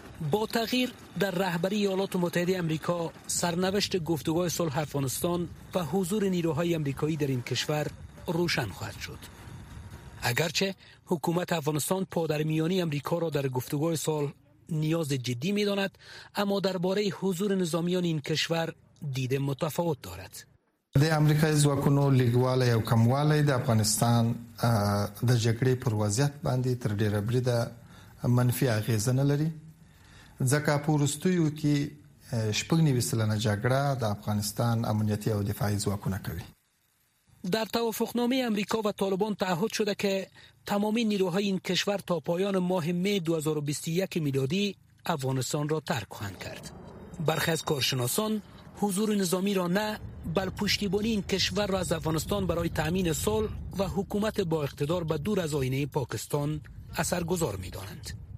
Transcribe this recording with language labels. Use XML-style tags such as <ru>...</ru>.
<fa>با تغییر در رهبری ایالات متحده آمریکا، سرنوشت گفتگوهای صلح افغانستان و حضور نیروهای آمریکایی در این کشور روشن خواهد شد. اگرچه حکومت افغانستان پادرمیانی آمریکا را در گفتگوهای صلح نیاز جدی می‌داند، اما درباره حضور نظامیان این کشور دید متفاوت دارد.</fa> <ps>د امریکای ځواکونو لیګواله او کمواله د افغانستان د جګړې پر وضعیت باندې تر ډیره بریده منفی اغیز نه لري، ځکه په وروستیو کې شپږ نوي سلنه جګړه د افغانستان امنیتي او دفاعي ځواکونه کوي.</ps> <fa>در توافقنامه امریکا و طالبان تعهد شده که تمامی نیروهای این کشور تا پایان ماه می 2021 میلادی افغانستان را ترک خواهند کرد. برخی از کارشناسان حضور نظامی را نه بل پشتیبانی این کشور را از افغانستان برای تأمین صلح و حکومت با اقتدار به دور از آینه پاکستان اثرگذار می دانند.</fa>